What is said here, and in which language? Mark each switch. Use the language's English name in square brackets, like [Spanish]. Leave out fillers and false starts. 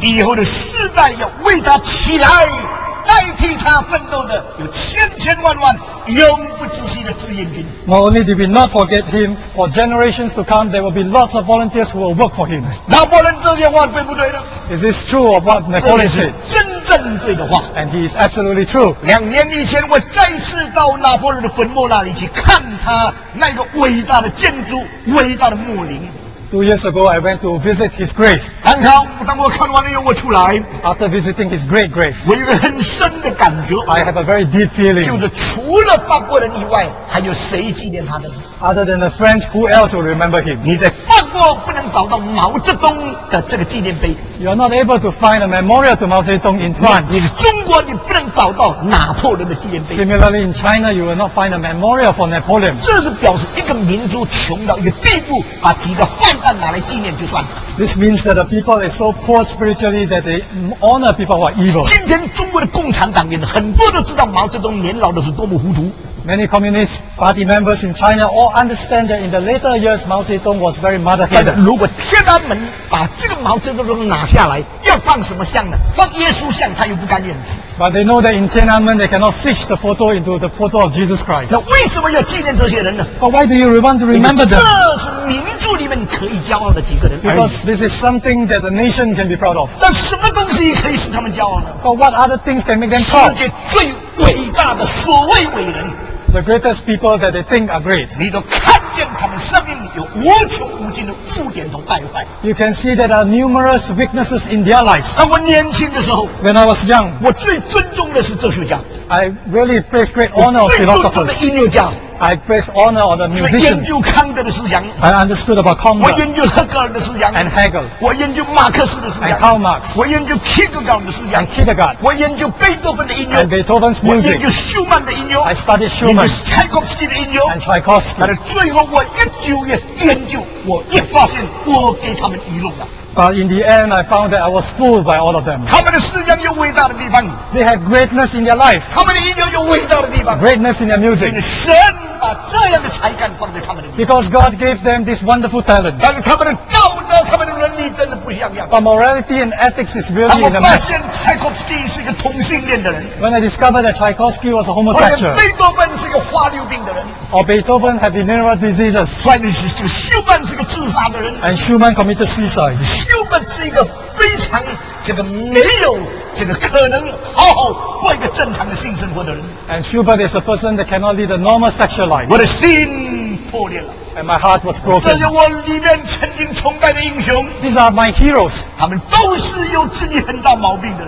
[Chinese] 以后的世代要为他起来，代替他奋斗的有千千万万永不止息的志愿军。 [English] Not only did we not forget him, for generations to come, there will be lots of volunteers who will work for him. [Chinese] 拿破仑这些话对不对呢 [English] ？Is this true of what Napoleon said? [Chinese] 真正对的话。 [English] And he is absolutely true. [Chinese] 两年以前，我再次到拿破仑的坟墓那里去看他那个伟大的建筑、伟大的墓陵。 [English] Two years ago, I went to visit his grave. [Chinese] 安康，当我看完了以后，我出来。 [English] After visiting his great grave, [Chinese] 我有个很深的感觉。 [English] I have a very deep feeling. [Chinese] 就是除了法国人以外，还有谁纪念他的 [English] ？Other than the French, who else will remember him? [Chinese] 你在法国不能找到毛泽东的这个纪念碑。 [English] You are not able to find a memorial to Mao Zedong in France. [Chinese] 你中国你不能找到拿破仑的纪念碑。 [English] Similarly, in China, you will not find a memorial for Napoleon. [Chinese] 这是表示一个民族穷到一个地步，把几个犯案拿来纪念就算了。 [English] This means that the people are so poor spiritually that they honor people who are evil. [Chinese] 今天中国的共产党员很多都知道毛泽东年老的是多么糊涂。 [English] Many communist party members in China all understand that in the later years Mao Zedong was very muddy-headed. [Chinese] 如果天安门把这个毛泽东拿下来，要放什么像呢？放耶稣像，他又不甘愿。 [English] But they know that in Tiananmen they cannot switch the photo into the photo of Jesus Christ. [Chinese] 那为什么要纪念这些人呢 [English] ？But why do you want to remember them？ [Chinese] 这是民族里面可以骄傲的几个人。 [English] Because this is something that the nation can be proud of. [Chinese] 但什么东西可以使他们骄傲呢 [English] ？But what other things can make them proud？ [Chinese] 世界最伟大的所谓伟人。 [English] The greatest people that they think are great. [Chinese] 你都看见他们生命里有无穷无尽的污点和败坏。 [English] You can see that there are numerous weaknesses in their lives. [Chinese] 当我年轻的时候 [English] ，When I was young, [Chinese] 我最尊重的是哲学家。 [English] I really place great honor on philosophers. [Chinese] 最尊重的音乐家。 [English] I place honor on the musicians. [Chinese] 最研究康德的思想。 [English] I understood about Kant. [Chinese] 我研究赫格尔的思想。 [English] And Hegel. [Chinese] 我研究马克思的思想。 [English] And Karl Marx. [Chinese] 我研究 Kierkegaard 的思想。 [English] And Kierkegaard. [Chinese] 我研究贝多芬的音乐。 [English] And Beethoven's music. [Chinese] 我研究舒曼的音乐。 [English] I studied Schumann. [Chinese] 研究柴可夫斯基的音乐。 [English] And Tchaikovsky. [Chinese] 但是最后我一究也研究，我一发现我给他们愚弄了。 [English] But in the end, I found that I was fooled by all of them. [Chinese] 他们的思想有伟大的地方。 [English] They have greatness in their life. [Chinese] 他们的音乐有伟大的地方。 [English] Greatness in their music. [Chinese] 因为神把这样的才干放在他们的。 [English] Because God gave them this wonderful talent. [Chinese] 但是他们的道德、他们的伦理真的不一样样。 [English] But morality and ethics is really in the mess. [Chinese] 他们发现柴可夫斯基是一个同性恋的人。 [English] When I discovered that Tchaikovsky was a homosexual. [Chinese] 贝多芬是一个花柳病的人。 [English] Or Beethoven had venereal diseases. [Chinese] 关键是这个舒曼是个自杀的人。 [English] And Schumann committed suicide. [Chinese] 舒曼是一个非常这个没有这个可能好好过一个正常的性生活的人。 [English] And Schubert is a person that cannot lead a normal sexual life. [Chinese] 我的心破裂了。 [English] And my heart was broken. [Chinese] 这是我里面曾经崇拜的英雄。 [English] These are my heroes. [Chinese] 他们都是有自己很大毛病的人。